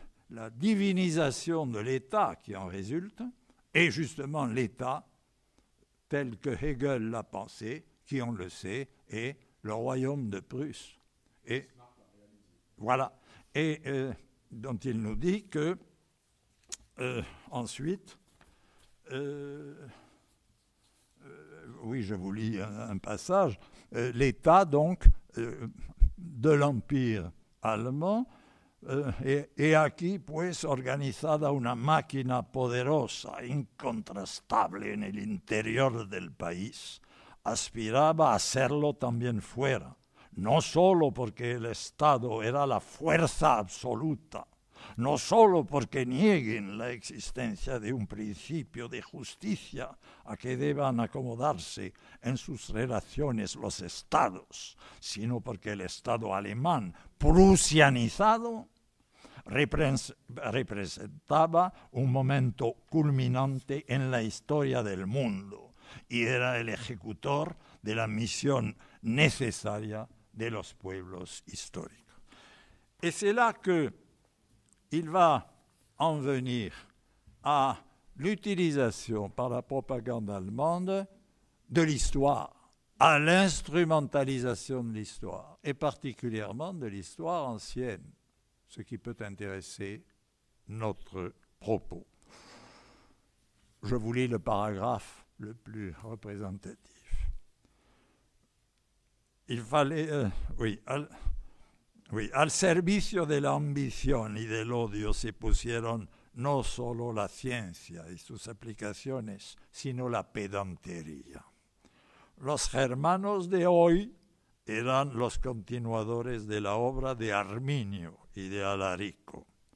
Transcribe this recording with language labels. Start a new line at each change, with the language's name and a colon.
French: la divinisation de l'État qui en résulte, et justement l'État tel que Hegel l'a pensé, qui, on le sait, est le royaume de Prusse. Et voilà. Et dont il nous dit que, ensuite, oui, je vous lis un passage, l'État, donc, de l'Empire allemand et
Spanish: aquí pues organizada una máquina poderosa, incontrastable en el interior del país, aspiraba a serlo también fuera, no solo porque el Estado era la fuerza absoluta, no solo porque nieguen la existencia de un principio de justicia a que deban acomodarse en sus relaciones los estados, sino porque el Estado alemán, prusianizado, representaba un momento culminante en la historia del mundo y era el ejecutor de la misión necesaria de los pueblos históricos.
French: Y es là que il va en venir à l'utilisation par la propagande allemande de l'histoire, à l'instrumentalisation de l'histoire, et particulièrement de l'histoire ancienne, ce qui peut intéresser notre propos. Je vous lis le paragraphe le plus représentatif. Il fallait...
Spanish: Oui, al servicio de la ambición y del odio se pusieron no solo la ciencia y sus aplicaciones, sino la pedantería. Los germanos de hoy eran los continuadores de la obra de Arminio y de Alarico.